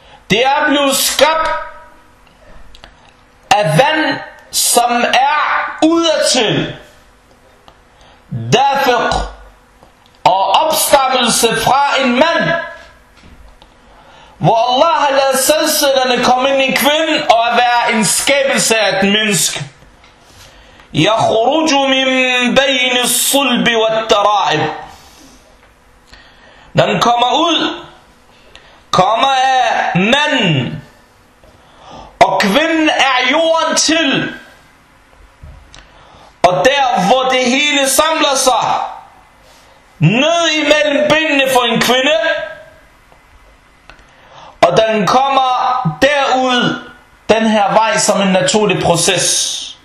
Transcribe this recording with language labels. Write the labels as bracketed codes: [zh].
[da] Det er blevet skabt af vand, som er udadtil. Dafiq. Og opstammelse fra en mand. Hvor Allah har ladet sædcellerne komme ind i kvinden og være en skabelse af et menneske. [ar] يخرج من بين الصلب والترائب. [da] Den kommer ud, kommer af mænd, og kvinden er jorden til, og der hvor det hele samler sig, ned imellem benene for en kvinde, og den kommer derud, den her vej som en naturlig proces.